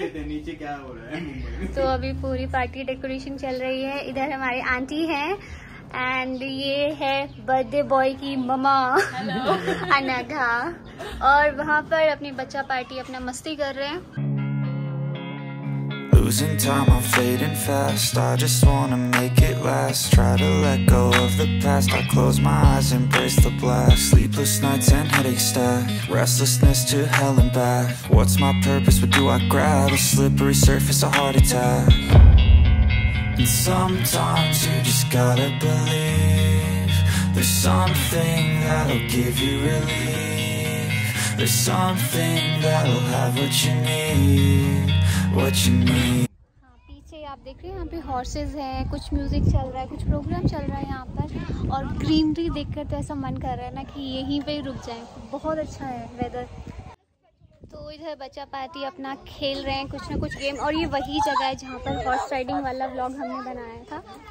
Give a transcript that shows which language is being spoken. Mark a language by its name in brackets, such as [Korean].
[Hindi] लेते, नीचे क्या हो रहा है मुंबई। तो अभी पूरी पार्टी डेकोरेशन चल रही है, इधर हमारे आंटी हैं एंड ये है बर्थडे बॉय की ममा अनघा, और वहाँ पर अपनी बच्चा पार्टी अपना मस्ती कर रहे हैं। [English] Losing time, I'm fading fast. I just wanna make it last. Try to let go of the past. I close my eyes, embrace the blast. Sleepless nights and headache stack. Restlessness to hell and back. What's my purpose? What do I grab? A slippery surface, a heart attack. And sometimes you just gotta believe there's something that'll give you relief. There's something that'll have what you need. [Hindi] पीछे आप देख रहे हैं यहाँ पे horses हैं, कुछ music चल रहा है, कुछ प्रोग्राम चल रहा है यहाँ पर, और ग्रीनरी देखकर तो ऐसा मन कर रहा है ना कि यहीं पे रुक जाएं, बहुत अच्छा है वेदर। तो इधर बच्चा पार्टी अपना खेल रहे हैं कुछ ना कुछ गेम, और ये वही जगह है जहाँ पर हॉर्स राइडिंग वाला व्लॉग हमने बनाया था।